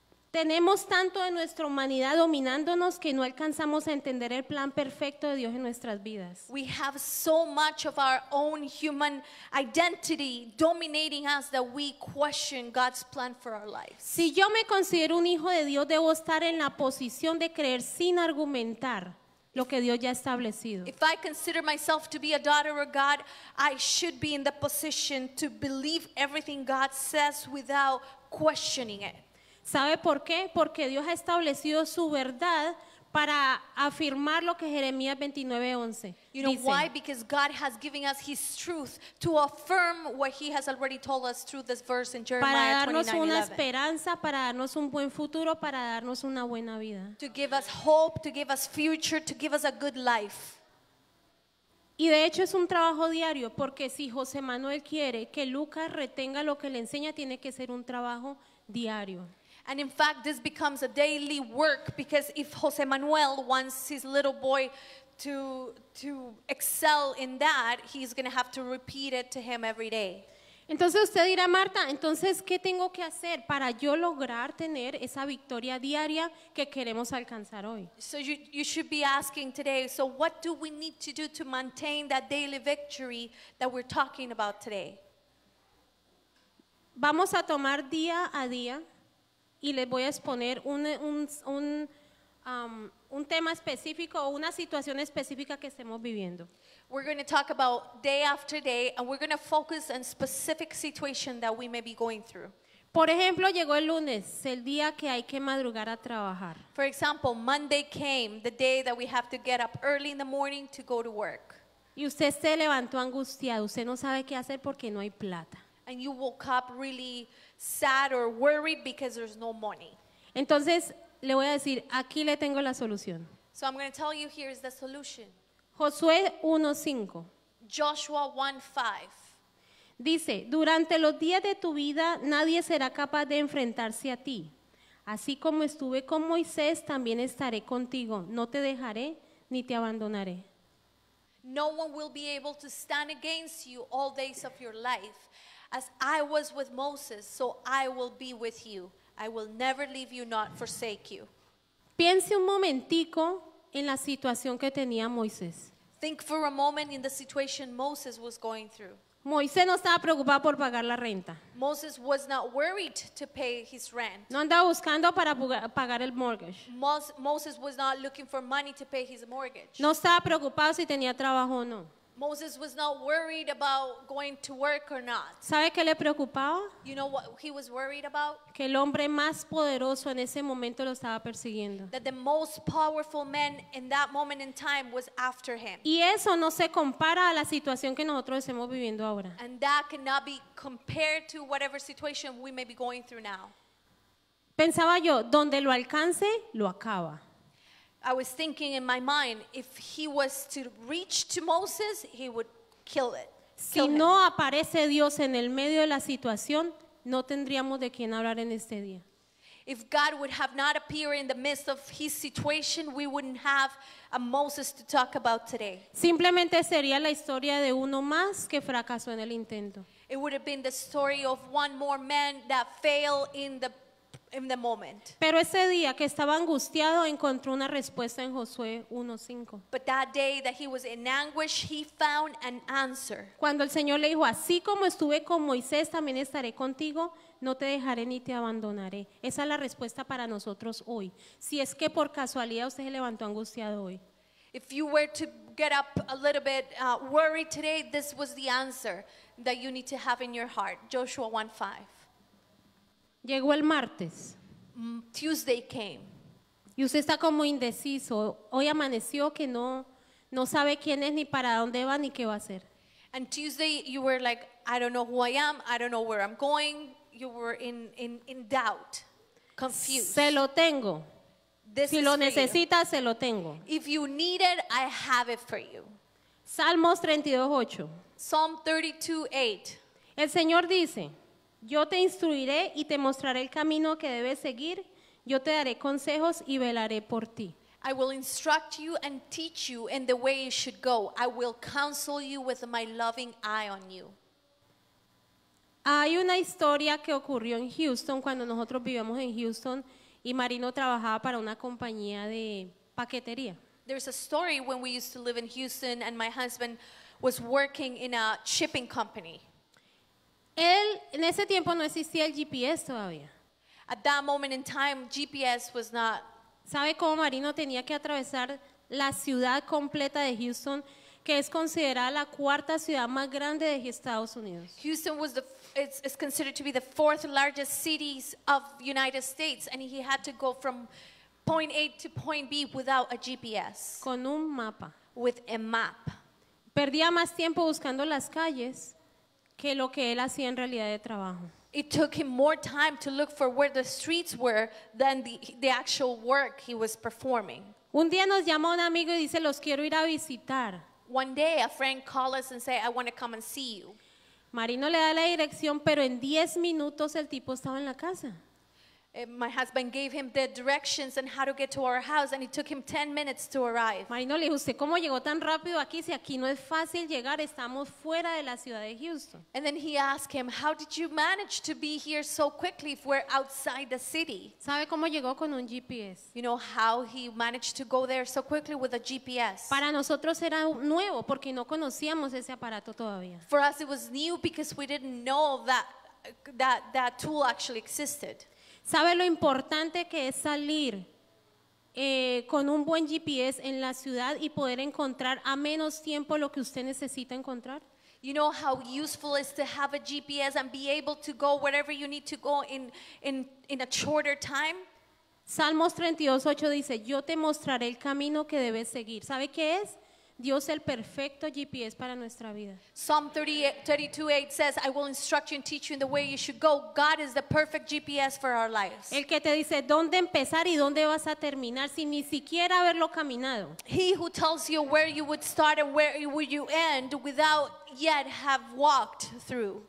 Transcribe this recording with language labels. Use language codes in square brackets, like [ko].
[es] Tenemos tanto de nuestra humanidad dominándonos que no alcanzamos a entender el plan perfecto de Dios en nuestras vidas. [en] We have so much of our own human identity dominating us that we question God's plan for our lives. [es] Si yo me considero un hijo de Dios, debo estar en la posición de creer sin argumentar lo que Dios ya ha establecido. [en] If I consider myself to be a daughter of God, I should be in the position to believe everything God says without questioning it. [es] ¿Sabe por qué? Porque Dios ha establecido su verdad para afirmar lo que Jeremías 29:11 dice. [en] You know why? Because God has given us his truth to affirm what he has already told us through this verse in Jeremiah [es] Para darnos una esperanza, para darnos un buen futuro, para darnos una buena vida. [en] To give us hope, to give us future, to give us a good life. [es] Y de hecho es un trabajo diario, porque si José Manuel quiere que Lucas retenga lo que le enseña, tiene que ser un trabajo diario. [en] And in fact, this becomes a daily work, because if José Manuel wants his little boy to excel in that, he's going to have to repeat it to him every day. [es] Entonces usted dirá, Marta, entonces, ¿qué tengo que hacer para yo lograr tener esa victoria diaria que queremos alcanzar hoy? [en] So you should be asking today, so what do we need to do to maintain that daily victory that we're talking about today? [es] Vamos a tomar día a día. Y les voy a exponer un tema específico o una situación específica que estemos viviendo. [en] We're going to talk about day after day, and we're going to focus on specific situation that we may be going through. [es] Por ejemplo, llegó el lunes, el día que hay que madrugar a trabajar. [en] For example, Monday came, the day that we have to get up early in the morning to go to work. [es] Y usted se levantó angustiado, usted no sabe qué hacer porque no hay plata. [en] And you woke up really sad or worried because there's no money. [es] Entonces, le voy a decir, aquí le tengo la solución. [en] So I'm going to tell you, here is the solution. [es] Josué 1:5. [en] Joshua 1:5. [es] Dice, durante los días de tu vida, nadie será capaz de enfrentarse a ti. Así como estuve con Moisés, también estaré contigo. No te dejaré ni te abandonaré. [en] No one will be able to stand against you all days of your life. As I was with Moses, so I will be with you. I will never leave you, not forsake you. [es] Piense un momentico en la situación que tenía Moisés. [en] Think for a moment in the situation Moses was going through. [es] Moisés no estaba preocupado por pagar la renta. [en] Moses was not worried to pay his rent. [es] No andaba buscando para pagar el mortgage. [en] Moses was not looking for money to pay his mortgage. [es] No estaba preocupado si tenía trabajo o no. [en] Moses was not worried about going to work or not. [es] ¿Sabe qué le preocupaba? [en] You know what he was worried about? [es] Que el hombre más poderoso en ese momento lo estaba persiguiendo. [en] That the most powerful man in that moment in time was after him. [es] Y eso no se compara a la situación que nosotros estamos viviendo ahora. [en] And that cannot be compared to whatever situation we may be going through now. [es] Pensaba yo, donde lo alcance, lo acaba. [en] I was thinking in my mind, if he was to reach to Moses, he would kill it. [es] Si no aparece Dios en el medio de la situación, no tendríamos de quién hablar en este día. [en] If God would have not appeared in the midst of his situation, we wouldn't have a Moses to talk about today. [es] Simplemente sería la historia de uno más que fracasó en el intento. [en] It would have been the story of one more man that failed in the moment. [es] Pero ese día que estaba angustiado encontró una respuesta en Josué 1:5. [en] But that day that he was in anguish, he found an answer. [es] Cuando el Señor le dijo, así como estuve con Moisés, también estaré contigo, no te dejaré ni te abandonaré. Esa es la respuesta para nosotros hoy. Si es que por casualidad usted se levantó angustiado hoy. [en] If you were to get up a little bit worried today, this was the answer that you need to have in your heart. Joshua 1:5. [es] Llegó el martes. [en] Tuesday came. [es] Y usted está como indeciso. Hoy amaneció que no sabe quién es, ni para dónde va, ni qué va a hacer. [en] And Tuesday you were like, I don't know who I am, I don't know where I'm going. You were in doubt, confused. [es] Se lo tengo. [en] This [es] si lo necesita, se lo tengo. [en] If you need it, I have it for you. [es] Salmos 32:8. [en] Psalm 32:8. [es] El Señor dice: Yo te instruiré y te mostraré el camino que debes seguir. Yo te daré consejos y velaré por ti. [en] I will instruct you and teach you in the way it should go. I will counsel you with my loving eye on you. [es] Hay una historia que ocurrió en Houston cuando nosotros vivíamos en Houston y Marino trabajaba para una compañía de paquetería. [en] There's a story when we used to live in Houston and my husband was working in a shipping company. [es] Él, en ese tiempo no existía el GPS todavía. [en] At that moment in time, GPS was not. [es] ¿Sabe cómo Marino tenía que atravesar la ciudad completa de Houston, que es considerada la cuarta ciudad más grande de Estados Unidos? [en] Houston was the it's considered to be the fourth largest cities of United States, and he had to go from point A to point B without a GPS. [es] Con un mapa. [en] With a map. [es] Perdía más tiempo buscando las calles que lo que él hacía en realidad de trabajo. [en] It took him more time to look for where the streets were than the actual work he was performing. [es] Un día nos llama un amigo y dice, los quiero ir a visitar. [en] One day a friend called us and said, I want to come and see you. [es] Marino le da la dirección, pero en 10 minutos el tipo estaba en la casa. [en] My husband gave him the directions and how to get to our house, and it took him 10 minutes to arrive. [es] Marino le dijo, ¿usted cómo llegó tan rápido aquí? Si aquí no es fácil llegar, estamos fuera de la ciudad de Houston. [en] And then he asked him, how did you manage to be here so quickly if we're outside the city? [es] ¿Sabe cómo llegó con un GPS? [en] You know how he managed to go there so quickly with a GPS? [es] Para nosotros era nuevo porque no conocíamos ese aparato todavía. [en] For us it was new because we didn't know that tool actually existed. [es] ¿Sabe lo importante que es salir con un buen GPS en la ciudad y poder encontrar a menos tiempo lo que usted necesita encontrar? [en] You know how useful it is to have a GPS and be able to go wherever you need to go in a shorter time? [es] Salmos 32:8 dice, yo te mostraré el camino que debes seguir. ¿Sabe qué es? Dios el perfecto GPS para nuestra vida. [en] Psalm 32:8 says, I will instruct you and teach you in the way you should go. God is the perfect GPS for our lives. [es] El que te dice dónde empezar y dónde vas a terminar sin ni siquiera haberlo caminado. [en] He who tells you where you would start and where you would end without yet have walked through.